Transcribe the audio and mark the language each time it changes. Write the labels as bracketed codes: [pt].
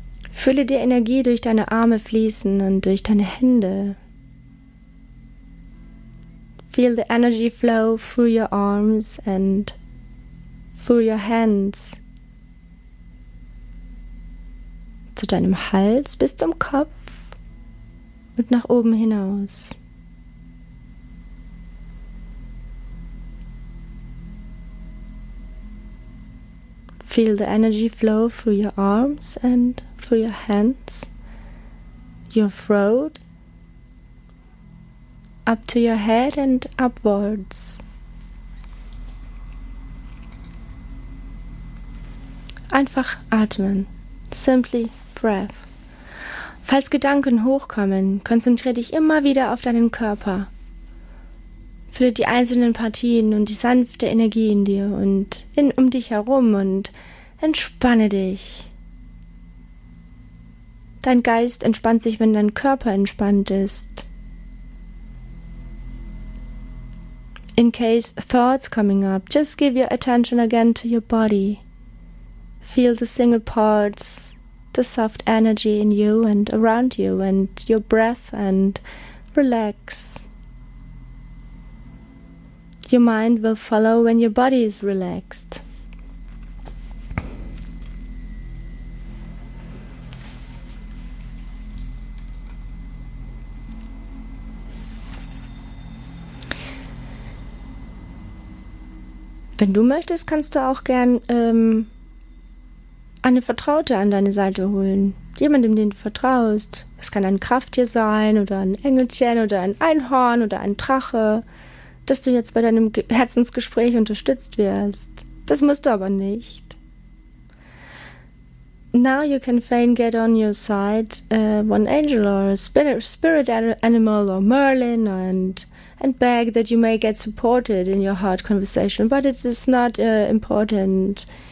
[de] Fülle die Energie durch deine Arme fließen und durch deine Hände. [en] Feel the energy flow through your arms and through your hands. [de] Zu deinem Hals bis zum Kopf und nach oben hinaus. [en] Feel the energy flow through your arms and through your hands, your throat, up to your head and upwards. [de] Einfach atmen. [en] Simply breath. [de] Falls Gedanken hochkommen, konzentriere dich immer wieder auf deinen Körper. Fühle die einzelnen Partien und die sanfte Energie in dir und um dich herum und entspanne dich. Dein Geist entspannt sich, wenn dein Körper entspannt ist. [en] In case thoughts coming up, just give your attention again to your body. Feel the single parts, the soft energy in you and around you and your breath and relax. Your mind will follow when your body is relaxed. [de] Wenn du möchtest, kannst du auch gern eine Vertraute an deine Seite holen. Jemandem, den du vertraust. Es kann ein Krafttier sein oder ein Engelchen oder ein Einhorn oder ein Drache, dass du jetzt bei deinem Herzensgespräch unterstützt wirst. Das musst du aber nicht. [en] Now you can fain get on your side one angel or a spirit animal or Merlin and beg that you may get supported in your heart conversation, but it is not important.